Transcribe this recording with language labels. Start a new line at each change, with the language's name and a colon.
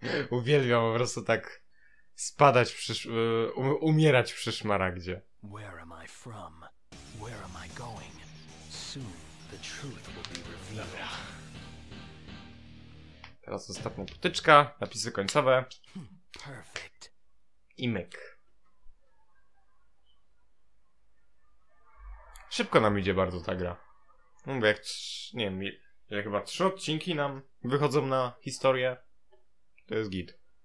Polish: Uwielbiam po prostu tak spadać umierać przy szmaragdzie.
English: Where am I from? Where am I going? Soon the truth will be revealed.
Polish: Teraz zostawmy potyczka, napisy końcowe. Perfect. I myk. Szybko nam idzie bardzo ta gra. Mówię, jak nie wiem, jak chyba 3 odcinki nam wychodzą na historię. To jest git.